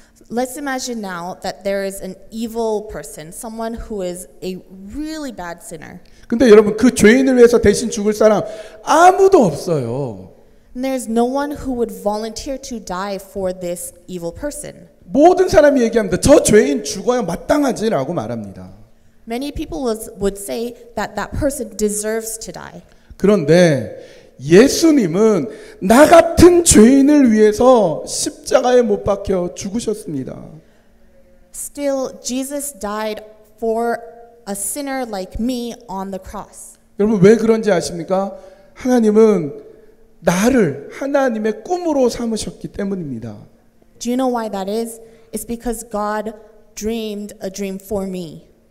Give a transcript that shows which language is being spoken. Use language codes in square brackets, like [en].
[en] Let's imagine now that there is an evil person, someone who is a really bad sinner. [ko] 근데 여러분 그 죄인을 위해서 대신 죽을 사람 아무도 없어요. [en] And there's no one who would volunteer to die for this evil person. [ko] 모든 사람이 얘기합니다. 저 죄인 죽어야 마땅하지라고 말합니다. [en] Many people would say that that person deserves to die. [ko] 그런데 예수님은 나 같은 죄인을 위해서 십자가에 못 박혀 죽으셨습니다. [en] Still, Jesus died for a sinner like me on the cross. [ko] 여러분 왜 그런지 아십니까? 하나님은 나를 하나님의 꿈으로 삼으셨기 때문입니다. [en] Do you know why that is? It's because God dreamed a dream for me.